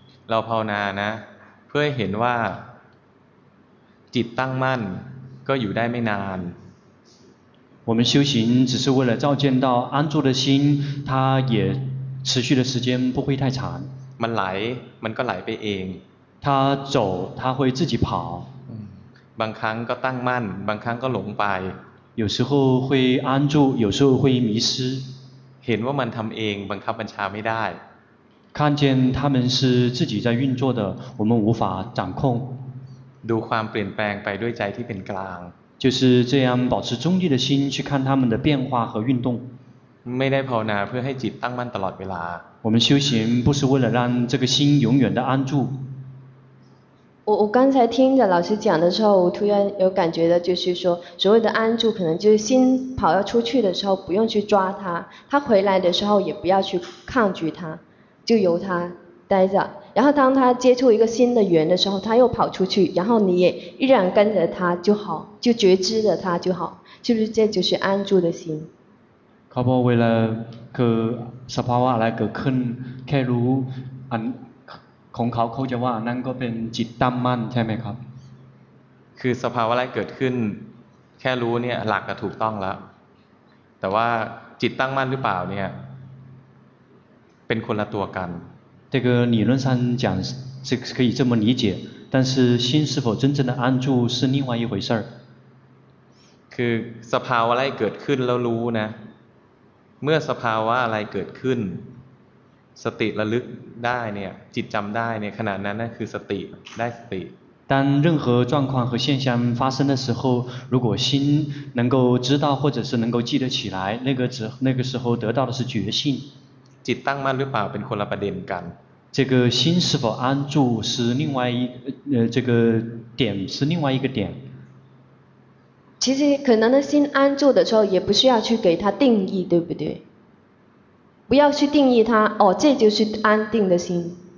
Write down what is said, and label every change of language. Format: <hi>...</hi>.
<th>เราภาวนานะเพื่อเห็นว่าจิตตั้งมั่นก็อยู่ได้ไม่นาน</th> <zh>我们修行只是为了照见到安住的心它也持续的时间不会太长</zh> <th>มันไหลมันก็ไหลไปเอง</th> <zh>它走它会自己跑</zh> <th>บางครั้งก็ตั้งมั่นบางครั้งก็หลงไป</th> <zh>有时候会安住有时候会迷失</zh> <th>เห็นว่ามันทำเองบังคับบัญชาไม่ได้</th> <zh>看见他们是自己在运作的我们无法掌控</zh> <th>ดูความเปลี่ยนแปลงไปด้วยใจที่เป็นกลาง</th> <zh>就是这样保持中立的心去看他们的变化和运动</zh> <th>ไม่ได้ภาวนาเพื่อให้จิตตั้งมั่นตลอดเวลา</th> <zh>我们修行不是为了让这个心永远的安住我刚才听着老师讲的时候我突然有感觉的就是说所谓的安住可能就是心跑要出去的时候不用去抓它它回来的时候也不要去抗拒它就由它待着然后当它接触一个新的缘的时候它又跑出去然后你也依然跟着它就好就觉知着它就好是不是这就是安住的心</zh> <th>ครับ เวลาคือสภาวะอะไรเกิดขึ้นแค่รู้อันของเขาเขาจะว่านั่นก็เป็นจิตตั้มมั่นใช่ไหมครับ คือสภาวะอะไรเกิดขึ้นแค่รู้เนี่ยหลักก็ถูกต้องแล้วแต่ว่าจิตตั้งมั่นหรือเปล่าเนี่ยเป็นคนละตัวกัน</th> <zh>这个理论上讲是可以这么理解但是心是否真正的安住是另外一回事</zh> <th>คือสภาวะอะไรเกิดขึ้นแล้วรู้นะเมื่อสภาวะอะไรเกิดขึ้นสติระลึกได้เนี่ยจิตจำได้เนี่ยขณะนั้นนั่นคือสติได้สติ</th> <zh>当任何状况和现象发生的时候如果心能够知道或者是能够记得起来那个时候得到的是觉性</zh> <th>จิตตั้งมั่นหรือเปล่าเป็นคนละประเด็นกัน</th> <zh>这个心是否安住是另外一这个点是另外一个点其实可能的心安住的时候也不需要去给它定义对不对不要去定义它哦这就是安定的心</zh>